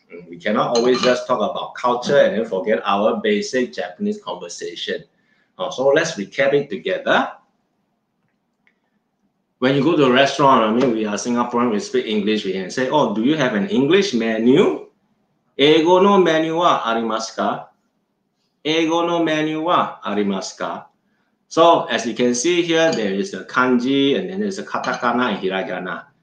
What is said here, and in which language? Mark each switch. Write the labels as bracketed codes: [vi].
[en] We cannot always just talk about culture and then forget our basic Japanese conversation. So let's recap it together. When you go to a restaurant, I mean, we are Singaporean, we speak English, we can say, oh, do you have an English menu? [ja] 英語のメニューはありますか?英語のメニューはありますか? [en] So, as you can see here, there is a kanji, and then there's a katakana and hiragana.